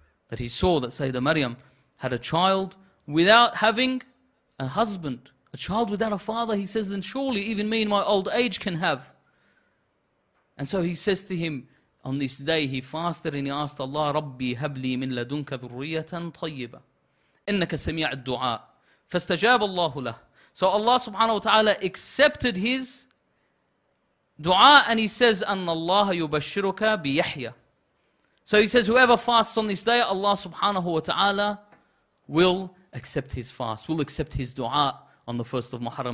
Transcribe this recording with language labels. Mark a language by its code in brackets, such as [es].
[en] That he saw that Sayyidah Maryam had a child without having a husband. A child without a father. He says, then surely even me in my old age can have. And so he says to him, on this day he fasted and he asked Allah, [ar] Rabbi habli min ladunka dhurriyatan tayyiba. إنك سميع الدعاء فاستجاب الله له. [en] So Allah subhanahu wa ta'ala accepted his dua and he says [ar] أن الله يبشرك بيحيى. [en] So he says whoever fasts on this day, Allah subhanahu wa ta'ala will accept his fast, will accept his dua on the first of Muharram.